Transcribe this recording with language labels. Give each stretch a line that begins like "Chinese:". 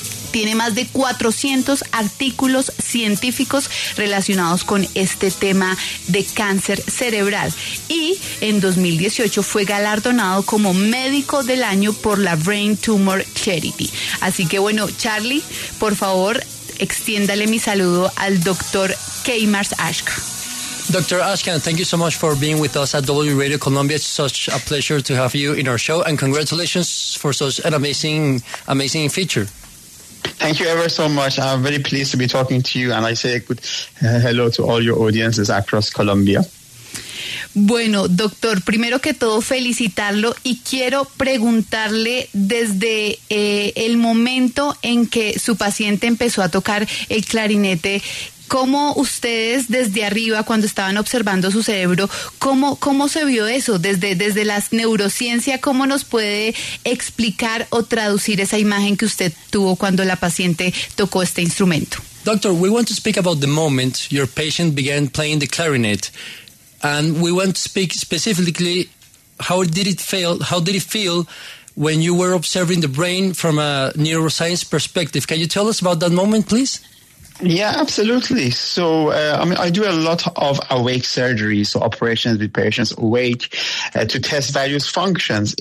Spanish: Tiene más de 400 artículos científicos relacionados con este tema de cáncer cerebral. Y en 2018 fue galardonado como médico del año por la Brain Tumor Charity. Así que bueno, Charlie, por favor, extiéndale mi saludo al doctor Kamesh Asca.
English: Dr. Asca, thank you so much for being with us at W Radio Colombia. It's such a pleasure to have you in our show. And congratulations for such an amazing feature. Thank you ever so much. I'm very pleased to be talking to you, and I say a good hello to all your audiences across Colombia.
Spanish: Bueno, doctor, primero que todo, felicitarlo, y quiero preguntarle desde el momento en que su paciente empezó a tocar el clarinete, ¿cómo ustedes desde arriba, cuando estaban observando su cerebro, cómo se vio eso? Desde la neurociencia, ¿cómo nos puede explicar o traducir esa imagen que usted tuvo cuando la paciente tocó este instrumento?
English: Doctor, we want to speak about the moment your patient began playing the clarinet. And we want to speak specifically, how did it feel when you were observing the brain from a neuroscience perspective? Can you tell us about that moment, please? Yeah, absolutely. So, I do a lot of awake surgeries, so operations with patients awake to test various functions.